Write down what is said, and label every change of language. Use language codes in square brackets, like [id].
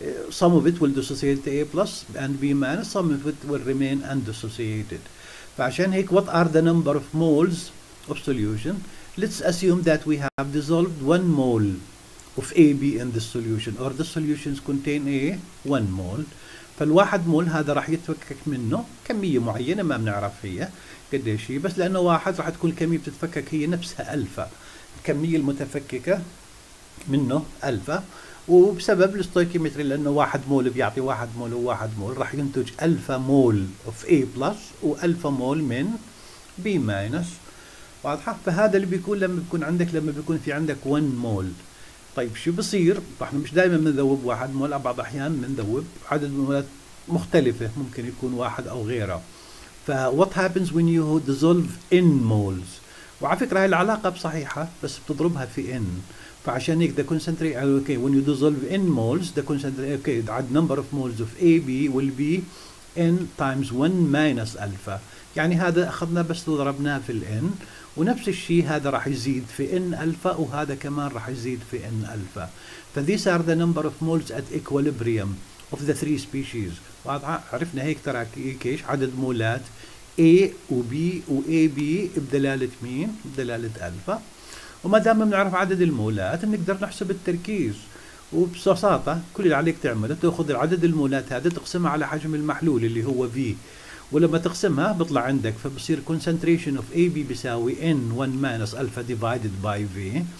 [en] Some of it will dissociate A plus and B minus. Some of it will remain undissociated. [ar] فعشان هيك [en] what are the number of moles of solution? Let's assume that we have dissolved 1 mole of AB in the solution, or the solutions contain A 1 mole. [ar] فالواحد مول هذا راح يتفكك منه كمية معينة ما بنعرف هي قديش هي، بس لأنه واحد راح تكون الكمية بتتفكك هي نفسها ألفا، الكمية المتفككة منه ألفا. وبسبب الاستويكيومتري لأنه واحد مول بيعطي واحد مول وواحد مول، راح ينتج ألفا مول of A plus وألفا مول من B minus. واضحة؟ فهذا اللي بيكون لما بيكون عندك، لما بيكون في عندك 1 مول. طيب شو بصير؟ احنا مش دائما بنذوب 1 مول، بعض الأحيان بنذوب عدد مولات مختلفة، ممكن يكون واحد أو غيره. [en] ف what happens when you dissolve n moles؟ [ar] وعلى فكرة هاي العلاقة بصحيحة بس بتضربها في n، فعشان هيك [en] the concentration okay when you dissolve n moles the concentration okay the odd number of moles of AB will be n times 1 minus alpha. [ar] يعني هذا أخذنا بس وضربناه في ال n، ونفس الشيء هذا راح يزيد في n alpha وهذا كمان راح يزيد في n alpha. [en] ف these are the number of moles at equilibrium of the three species. [ar] واضح؟ عرفنا هيك ترى كيش عدد مولات A وB وAB بدلالة مين؟ بدلالة alpha. وما دام بنعرف عدد المولات بنقدر نحسب التركيز. وببساطة كل اللي عليك تعمله تاخذ عدد المولات هذا تقسمها على حجم المحلول اللي هو V، ولما تقسمها بيطلع عندك، فبصير [en] concentration of AB [ar] بيساوي [en] N 1 minus alpha divided by V.